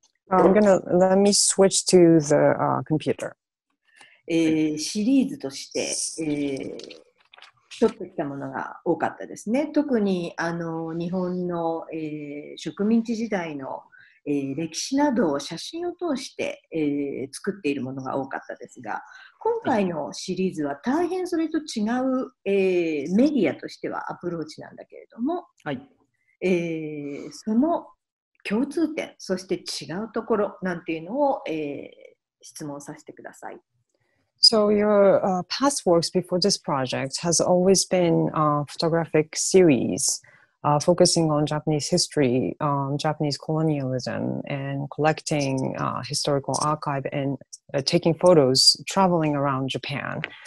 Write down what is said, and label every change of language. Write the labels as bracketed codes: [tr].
[en] I'm gonna let me switch to the computer. [ja] シリーズとして、取ってきたものが多かったですね。特に日本の、植民地時代の、歴史などを写真を通して、作っているものが多かったですが、今回のシリーズは大変それと違う、メディアとしてはアプローチなんだけれども、はい、その共通点、そして違うところなんていうのを、質問させてください。 [en] So your past works before this project has always been a photographic series focusing on Japanese history, Japanese colonialism, and collecting historical archive and taking photos traveling around Japan.